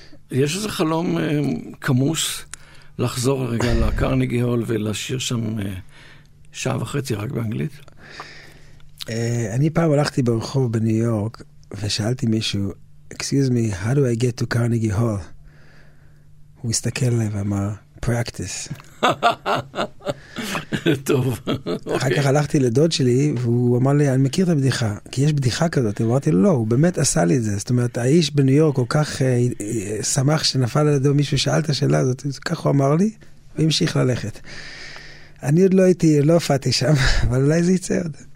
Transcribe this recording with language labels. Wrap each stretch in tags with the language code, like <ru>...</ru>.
<he>יש איזה חלום כמוס לחזור הרגע לקרניגי הול ולשיר שם שעה וחצי רק באנגלית אני פעם הלכתי ברחוב בניו יורק ושאלתי מישהו</he> <en>excuse me, how do I get to Carnegie Hall?</en> <he>הוא הסתכל עליי ואמר</he> <en>practice</en> <he>טוב אחר כך הלכתי לדוד שלי והוא אמר לי אני מכיר את הבדיחה כי יש בדיחה כזאת אמרתי לו לא הוא באמת עשה לי את זה זאת אומרת האיש בניו יורק כל כך שמח שנפל על ידו מישהו שאל את השאלה הזאת כך הוא אמר לי והמשיך ללכת אני עוד לא הייתי לא הופעתי שם אבל אולי זה יצא עוד</he>